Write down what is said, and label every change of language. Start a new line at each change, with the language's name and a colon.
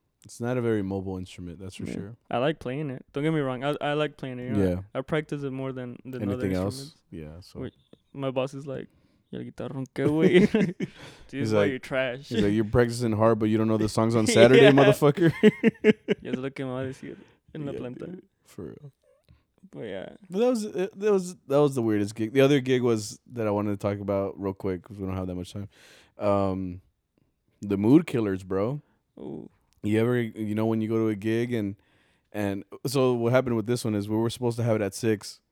English: It's not a very mobile instrument, that's for sure. I like playing it. Don't get me wrong. I like playing it. You know? Yeah. I practice it more than anything other else? Instruments. Yeah. So. My boss is like, "Your guitar,
Spanish: qué güey."
English: Dude, he's boy, like, "You're trash." He's like, "You're practicing hard, but you don't know the songs on Saturday, motherfucker."
Spanish: Es lo que me va a decir en la planta.
English: Dude, for real. But yeah. But that was the weirdest gig. The other gig was that I wanted to talk about real quick because we don't have that much time. The Mood Killers, bro. Ooh. You ever, you know, when you go to a gig and so what happened with this one is we were supposed to have it at 6.